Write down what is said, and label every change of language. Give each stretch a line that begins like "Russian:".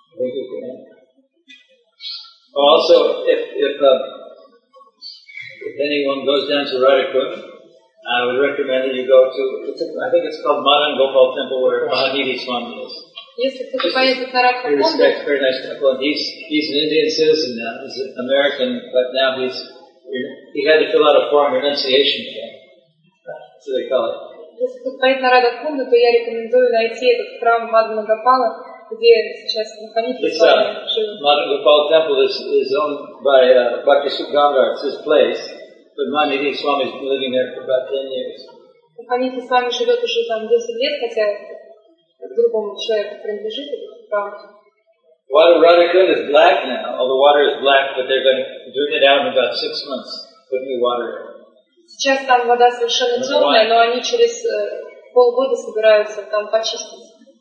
English: Also, if anyone goes down to Radhakund, I would recommend that you go to, it's called Madan Gopal Temple, where Mahanidhi Swami is. Yes, very nice temple, and he's an Indian citizen now, he's an American, but now he had to fill out a form, renunciation form, that's what they call it.
Russian: Если ты поедешь на Радхакунд, то я рекомендую найти этот храм Мадана Гопала, где сейчас Махамити Свами живет.
English: Мадана Гопала temple is owned by Bhakti Sugandhar, it's his place, but Махамити Свами has been living there for about 10 years.
Russian: Махамити Свами живет уже там 10 лет, хотя другому человеку принадлежит этот храм.
English: Water Radhakund is black now, all the water is black, but they're going to drain it out in about 6 months, put new water in.
Russian: Сейчас там вода совершенно темная, но они через полгода собираются там почистить.